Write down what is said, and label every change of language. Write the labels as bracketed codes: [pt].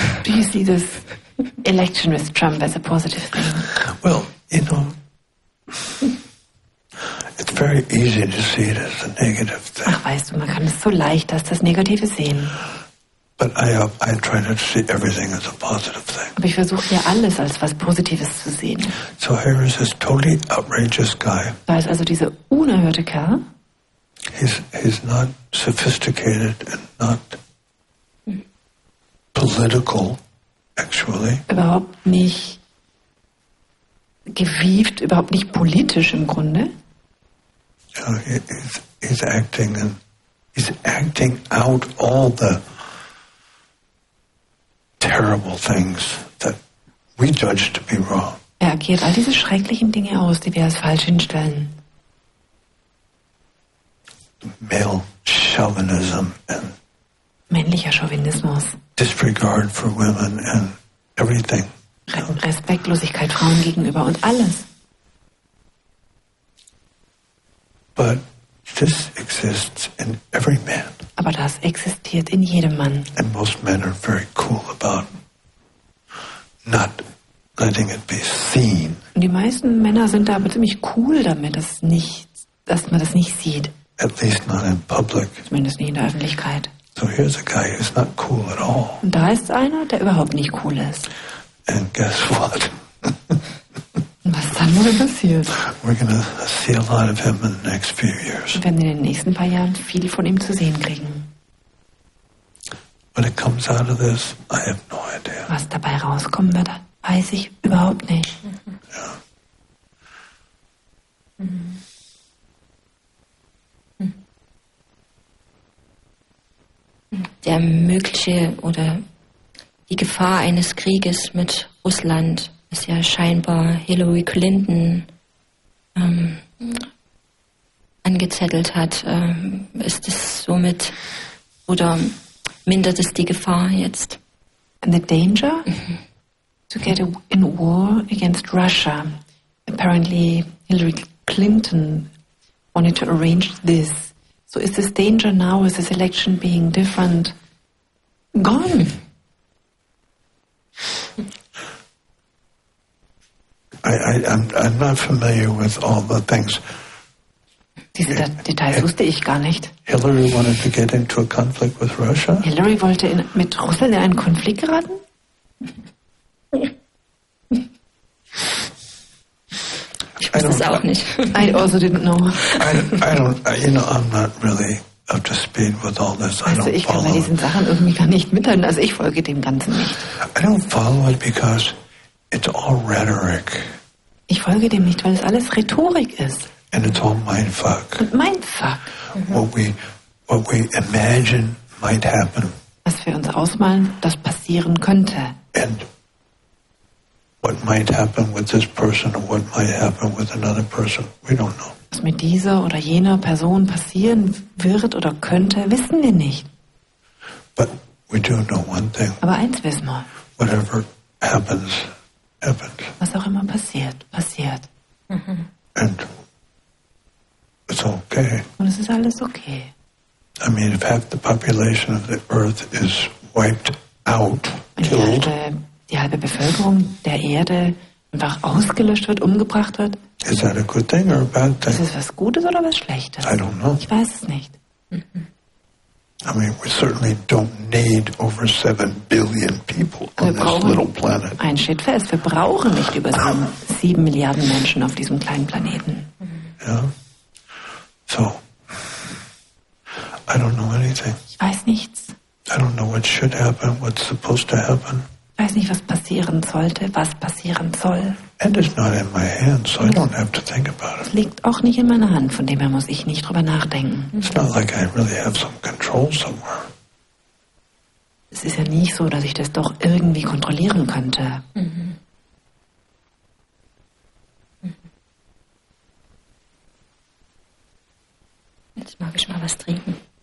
[en] Do you see this election with Trump as a positive thing? Well, you know, it's very easy to see it as a negative thing. [de] Ach, weißt du, man kann es so leicht als das Negative sehen. [en] But I try to see everything as a positive thing. [de] Aber ich versuche hier alles als was Positives zu sehen. [en] So here is this totally outrageous guy. [de] Da ist also dieser unerhörte Kerl. [en] He's not sophisticated and not political, actually. [de] Überhaupt nicht gewieft, überhaupt nicht politisch im Grunde. [en] So he's acting and he's acting out all the terrible things that we judge to be wrong. [de] Er agiert all diese schrecklichen Dinge aus, die wir als falsch hinstellen. [en] Male chauvinism and [de] männlicher Chauvinismus. [en] Disregard for women and everything. [de] Respektlosigkeit Frauen gegenüber und alles. [en] But this exists in every man. [de] Aber das existiert in jedem Mann. [en] And most men are very cool about not letting it be seen. [de] Und die meisten Männer sind da aber ziemlich cool damit, dass man das nicht sieht. [en] At least not in public. [de] Zumindest nicht in der Öffentlichkeit. [en] So here's a guy who's not cool at all. [de] Und da ist einer, der überhaupt nicht cool ist. [en] And guess what? [de] Was dann wohl passiert? [en] We're gonna see a lot of him in the next few years. [de] Wir werden in den nächsten paar Jahren viel von ihm zu sehen kriegen. [en] When it comes out of this, I have no idea. [de] Was dabei rauskommen wird, weiß ich überhaupt nicht. Ja. Der mögliche oder die Gefahr eines Krieges mit Russland ist ja scheinbar Hillary Clinton angezettelt hat. Ist es somit oder mindert es die Gefahr jetzt? [en] And the danger to get in war against Russia. Apparently Hillary Clinton wanted to arrange this. So is this danger now, is this election being different, gone? I'm not familiar with all the things. [de] Diese Details wusste ich gar nicht. [en] Hillary wanted to get into a conflict with Russia. [de] Hillary wollte mit Russland in einen Konflikt geraten? Ich weiß es auch nicht. [en] I also didn't know. I'm not really up to speed with all this. [de] Also ich kann mir diesen Sachen irgendwie gar nicht mithalten. Also ich folge dem Ganzen nicht. [en] I don't follow it because it's all rhetoric. [de] Ich folge dem nicht, weil es alles Rhetorik ist. [en] And it's all mindfuck. Mindfuck. What we imagine might happen. [de] Was wir uns ausmalen, das passieren könnte. [en] And what might happen with this person or what might happen with another person, we don't know. [de] Was mit dieser oder jener Person passieren wird oder könnte, wissen wir nicht. [en] But we do know one thing. [de] Aber eins wissen wir. [en] Whatever happens, happens. [de] Was auch immer passiert, passiert. [en] Mhm. And it's okay. [de] Und es ist alles okay. [en] I mean, if half the population of the earth is wiped out, killed. [de] Die halbe Bevölkerung der Erde einfach ausgelöscht wird, umgebracht wird. [en] Is that a good thing or a bad thing? [de] Ist es was Gutes oder was Schlechtes? [en] I don't know. [de] Ich weiß es nicht. [en] I mean, we certainly don't need over 7 billion people on this little planet. [de] Ein steht fest, wir brauchen nicht über 7 Milliarden Menschen auf diesem kleinen Planeten. [en] Ja. Yeah. So, I don't know anything. [de] Ich weiß nichts. [en] I don't know what should happen, what's supposed to happen. [de] Ich weiß nicht, was passieren sollte, was passieren soll. [en] And it's not in my hand, so I don't have to think about it. [de] Es liegt auch nicht in meiner Hand, von dem her muss ich nicht drüber nachdenken. [en] It's not like I really have some control somewhere. [de] Es ist ja nicht so, dass ich das doch irgendwie kontrollieren könnte. Jetzt mag ich mal was trinken.